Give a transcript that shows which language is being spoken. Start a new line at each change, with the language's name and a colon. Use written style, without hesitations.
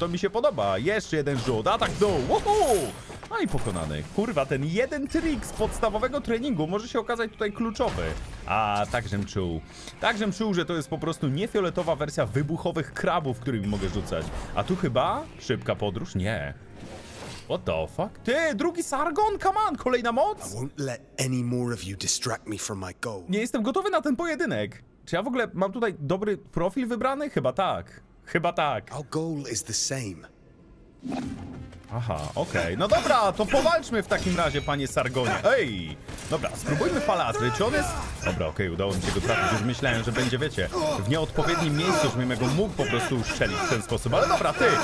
Polish: To mi się podoba. Jeszcze jeden rzut. Atak w dół. Woohoo! No i pokonany. Kurwa, ten jeden trik z podstawowego treningu może się okazać tutaj kluczowy. A, takżem czuł. Takżem czuł, że to jest po prostu niefioletowa wersja wybuchowych krabów, którymi mogę rzucać. A tu chyba szybka podróż? Nie.
English: What the fuck?
Polish: Ty, drugi Sargon,
English: come on,
Polish: kolejna moc?
English: I won't let any more of you distract me from my goal.
Polish: Nie jestem gotowy na ten pojedynek. Czy ja w ogóle mam tutaj dobry profil wybrany? Chyba tak. Chyba tak.
English: Our goal is the same.
Polish: Aha, okej. Okay. No dobra, to powalczmy w takim razie, panie Sargonie. Ej! Dobra, spróbujmy falatry. Czy on jest... Dobra, okej, okay, udało mi się go trafić. Już myślałem, że będzie, wiecie, w nieodpowiednim miejscu, żebym go mógł po prostu uszczelić w ten sposób. Ale dobra, ty!